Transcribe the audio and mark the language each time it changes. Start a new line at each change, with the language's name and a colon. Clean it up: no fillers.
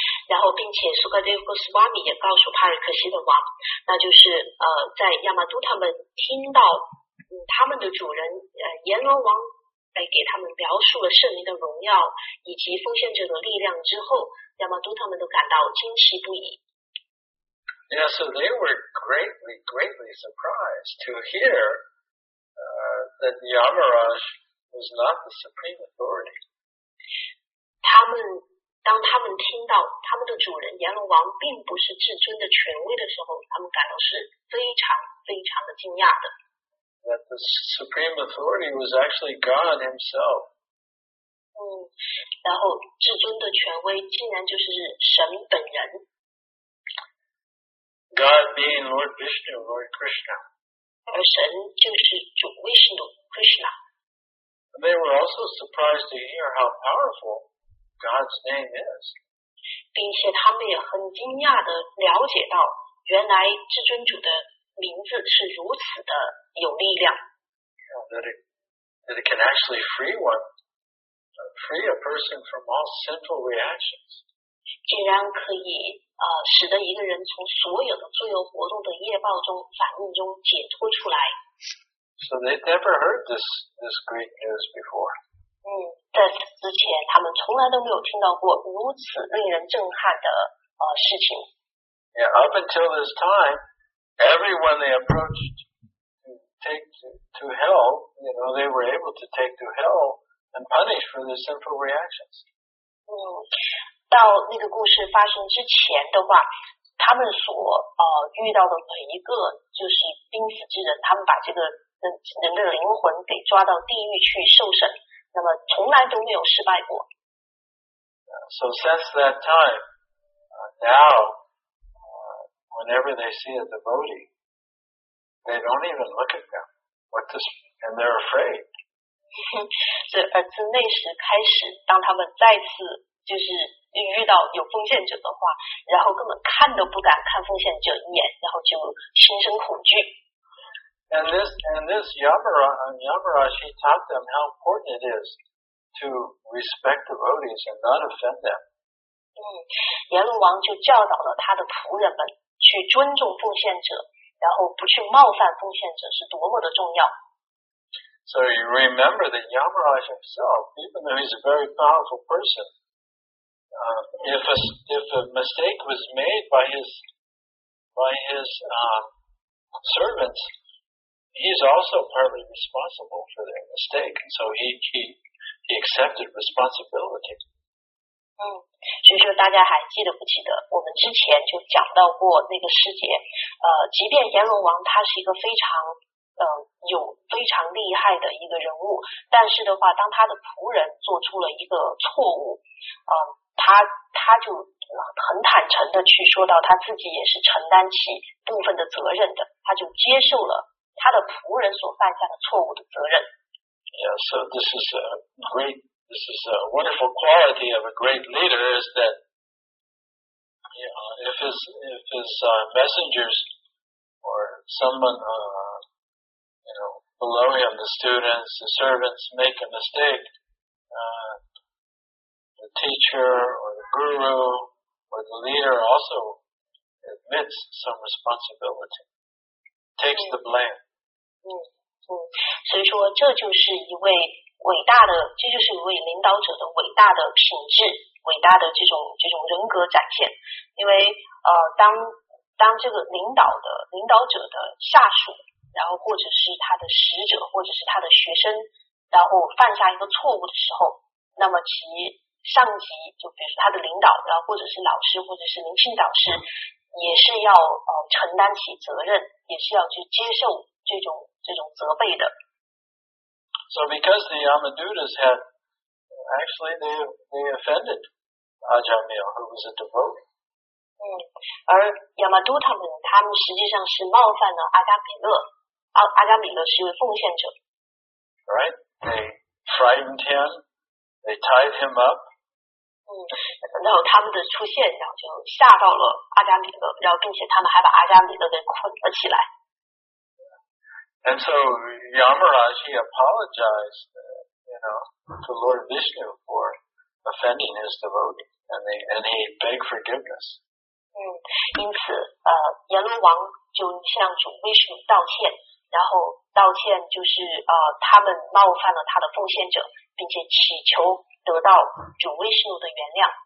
Chinese: 然后并且苏格雷夫斯瓦米也告诉帕尔克西的王那就是在亚马都他们听到他们的主人阎罗王给他们描述了圣灵的荣耀以及奉献者的力量之后亚马都他们都感到惊奇不已。
English: Yeah, so they were greatly, greatly surprised to hear that Yamaraj was not the supreme authority.
Chinese: 当他们听到他们的主人阎罗王并不是至尊的权威的时候他们感到是非常非常的惊讶的。
English: That the supreme authority was actually God himself.
Chinese: 然后至尊的权威竟然就是神本人。
English: God being Lord Vishnu, Lord Krishna.
Chinese: 那个神就是主 Vishnu, Krishna.
English: And they were also surprised to hear how powerful God's name is.
Chinese: 并且他们也很惊讶地了解到原来至尊主的名字是如此的有力量。
English: That it can actually free one, free a person from all sinful reactions.
Chinese: 竟然可以使得一个人从所有的罪恶活动的业报中反应中解脱出来。
English: So they'd never heard this great news before.
Chinese: 在此之前他们从来都没有听到过如此令人震撼的事情。
English: Yeah, up until this time, everyone they approached to hell, you know, they were able to take to hell and punish for their sinful reactions.
Chinese: 到那个故事发生之前的话，他们所遇到的每一个就是濒死之人，他们把这个人的灵魂给抓到地狱去受审，那么从来都没有失败过。
English: So since that time, now, whenever they see a devotee, they don't even look at them. And they're afraid.
Chinese: 自那时开始，当他们再次就是遇到有奉献者的话，然后根本看都不敢看奉献者一眼，然后就心生恐惧。
English: And this Yamaraj, he taught them how important it is to respect devotees and not offend them.
Chinese: 阎罗王就教导了他的仆人们去尊重奉献者，然后不去冒犯奉献者是多么的重要。
English: So you remember that Yamaraj himself, even though he's a very powerful person, if a mistake was made by his servants, he's also partly responsible for their mistake, and so he accepted responsibility.
Chinese: 所以说大家还记得不记得我们之前就讲到过那个师姐，即便阎罗王他是一个非常有非常厉害的一个人物，但是的话当他的仆人做出了一个错误，他就很坦诚的去说到他自己也是承担起部分的责任的，他就接受了他的仆人所犯下的错误的责任。
English: Yeah, so this is a great, this is a wonderful quality of a great leader, is that, you know, if his messengers or someone, you know, below him, the students, the servants, make a mistake, the teacher or the guru or the leader also admits some responsibility, takes the blame.
Chinese: 所以说这就是一位伟大的，这就是一位领导者的伟大的品质，伟大的这种人格展现。因为当这个领导者的下属，然后或者是他的使者，或者是他的学生，然后犯下一个错误的时候，那么其上级，就比如说他的领导，然后或者是老师，或者是灵性导师，也是要承担起责任，也是要去接受这种责备的。
English: So because the Yamadutas had, actually they offended Ajamil, who was a devotee.
Chinese: 而 Yamaduta 他们实际上是冒犯了阿加比勒，阿加比勒是一位奉献者。
English: Right? They frightened him, they tied him up.
Chinese: 然后他们的出现然后就吓到了阿加比勒，然后并且他们还把阿加比勒给捆了起来。
English: And so Yamaraj, he apologized, you know, to Lord Vishnu for offending his devotee, and he begged forgiveness.
Chinese: 因此阎罗王就向主 Vishnu 道歉，然后道歉就是他们冒犯了他的奉献者，并且祈求得到主 Vishnu 的原谅。